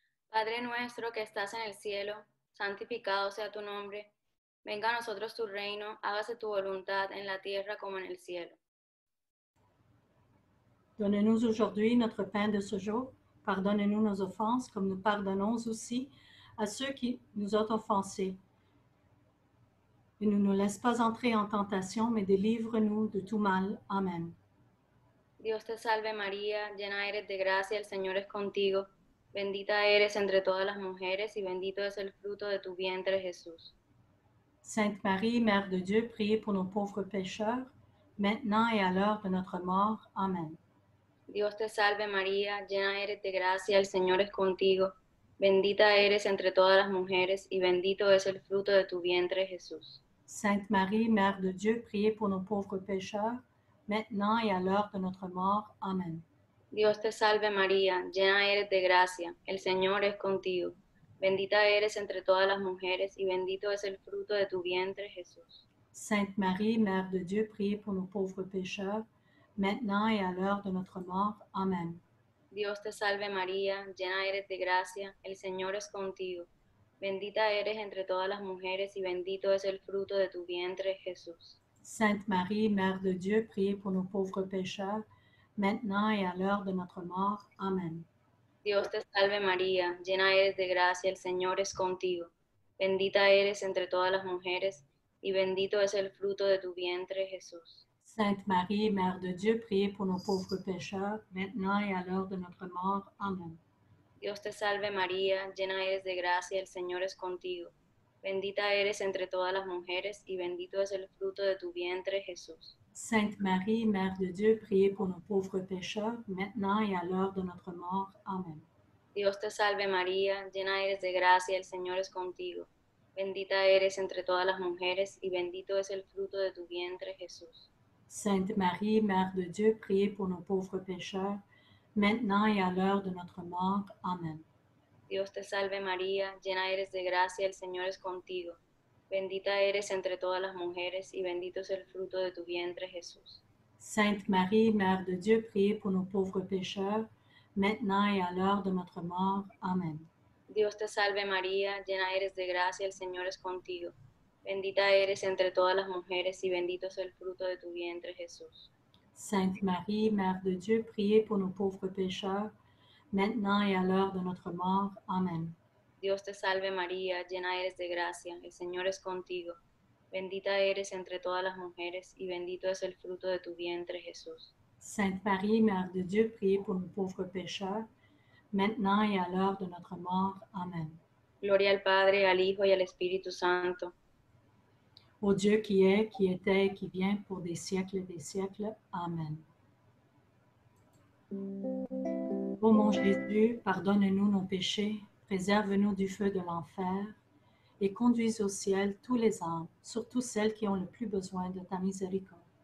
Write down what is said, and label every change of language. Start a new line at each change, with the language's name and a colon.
Spanish: Padre nuestro que estás en el cielo, santificado sea tu nombre. Venga a nosotros tu reino, hágase tu voluntad en la tierra como en el cielo.
French: Donne-nous aujourd'hui notre pain de ce jour. Pardonne-nous nos offenses, comme nous pardonnons aussi à ceux qui nous ont offensés. Et ne nous laisse pas entrer en tentation, mais délivre-nous de tout mal. Amen.
Spanish: Dios te salve, María, llena eres de gracia, el Señor es contigo. Bendita eres entre todas las mujeres, y bendito es el fruto de tu vientre, Jesús.
French: Sainte Marie, Mère de Dieu, priez pour nos pauvres pécheurs, maintenant et à l'heure de notre mort. Amen.
Spanish: Dios te salve, María, llena eres de gracia, el Señor es contigo. Bendita eres entre todas las mujeres, y bendito es el fruto de tu vientre, Jesús.
French: Sainte Marie, Mère de Dieu, priez pour nos pauvres pécheurs, maintenant et à l'heure de notre mort. Amen.
Spanish: Dios te salve, María, llena eres de gracia, el Señor es contigo. Bendita eres entre todas las mujeres, y bendito es el fruto de tu vientre, Jesús.
French: Sainte Marie, Mère de Dieu, priez pour nos pauvres pécheurs, maintenant et à l'heure de notre mort. Amen.
Spanish: Dios te salve María, llena eres de gracia, el Señor es contigo. Bendita eres entre todas las mujeres y bendito es el fruto de tu vientre, Jesús.
French: Sainte Marie, Mère de Dieu, priez pour nos pauvres pécheurs, maintenant et à l'heure de notre mort. Amen.
Spanish: Dios te salve María, llena eres de gracia, el Señor es contigo. Bendita eres entre todas las mujeres y bendito es el fruto de tu vientre, Jesús.
French: Sainte Marie, Mère de Dieu, priez pour nos pauvres pécheurs, maintenant et à l'heure de notre mort. Amen.
Spanish: Dios te salve, María, llena eres de gracia, el Señor es contigo. Bendita eres entre todas las mujeres, y bendito es el fruto de tu vientre, Jesús.
French: Sainte Marie, Mère de Dieu, priez pour nos pauvres pécheurs, maintenant et à l'heure de notre mort. Amen.
Spanish: Dios te salve, María, llena eres de gracia, el Señor es contigo. Bendita eres entre todas las mujeres, y bendito es el fruto de tu vientre, Jesús.
French: Sainte Marie, Mère de Dieu, priez pour nos pauvres pécheurs, maintenant et à l'heure de notre mort. Amen.
Spanish: Dios te salve, María, llena eres de gracia, el Señor es contigo. Bendita eres entre todas las mujeres, y bendito es el fruto de tu vientre, Jesús.
French: Sainte Marie, Mère de Dieu, priez pour nos pauvres pécheurs, maintenant et à l'heure de notre mort. Amen.
Spanish: Dios te salve, María, llena eres de gracia, el Señor es contigo. Bendita eres entre todas las mujeres y bendito es el fruto de tu vientre, Jesús.
French: Sainte Marie, Mère de Dieu, priez pour nos pauvres pécheurs, maintenant et à l'heure de notre mort. Amen.
Spanish: Dios te salve, María, llena eres de gracia, el Señor es contigo. Bendita eres entre todas las mujeres y bendito es el fruto de tu vientre, Jesús.
French: Sainte Marie, Mère de Dieu, priez pour nos pauvres pécheurs, maintenant et à l'heure de notre mort. Amen.
Spanish: Gloria al Padre, al Hijo y al Espíritu Santo.
French: Ô Dieu qui est, qui était et qui vient pour des siècles, Amen. Ô mon Jésus, pardonne-nous nos péchés, préserve-nous du feu de l'enfer et conduis au ciel tous les âmes, surtout celles qui ont le plus besoin de ta miséricorde.